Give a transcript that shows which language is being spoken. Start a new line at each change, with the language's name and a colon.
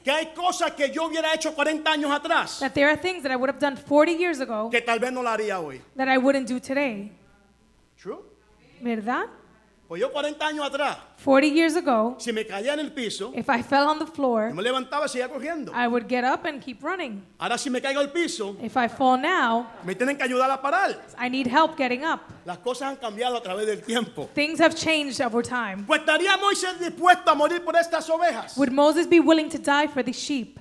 Spanish: que hay cosas que yo hubiera hecho 40 años atrás,
English: that there are things that I would have done 40 years ago,
Spanish: que tal vez no lo haría hoy,
English: that I wouldn't do today. True.
Spanish: ¿Verdad? Pues yo 40 años atrás,
English: 40 years ago,
Spanish: si me caía en el piso,
English: if I fell on the floor,
Spanish: me levantaba y seguía corriendo,
English: I would get up and keep running.
Spanish: Ahora si me caigo al piso,
English: if I fall now,
Spanish: me tienen que ayudar a parar.
English: I need help getting up.
Spanish: Las cosas han cambiado a través del tiempo.
English: Things have changed over time.
Spanish: ¿Pues estaría Moisés dispuesto a morir por estas ovejas?
English: Would Moses be willing to die for the sheep?